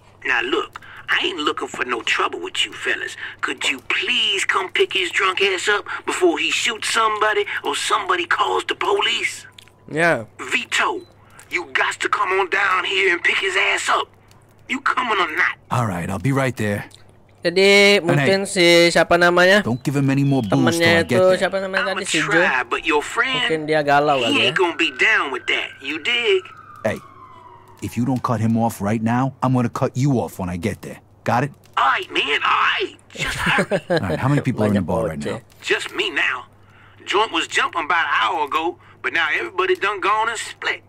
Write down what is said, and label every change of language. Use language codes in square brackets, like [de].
[en] Now look. I ain't looking for no trouble with you fellas. Could you please come pick his drunk ass up before he shoots somebody or somebody calls the police? Yeah. Vito, you got to come on down here and pick his ass up. You coming or not? All right, I'll be right there. [id] Jadi mungkin si siapa namanya? [en] Don't give him any more booze. [id] Temennya itu siapa namanya tadi si Joe? [en] But your friend, [id] mungkin dia galau kali [en] He ain't gonna be down with that. You dig? Hey. If you don't cut him off right now, I'm gonna cut you off when I get there. Got it? All right, man, all right. Just hurry. All right, how many people are in the bar right now? Just me now. Joint was jumping about an hour ago, but now everybody done gone and split.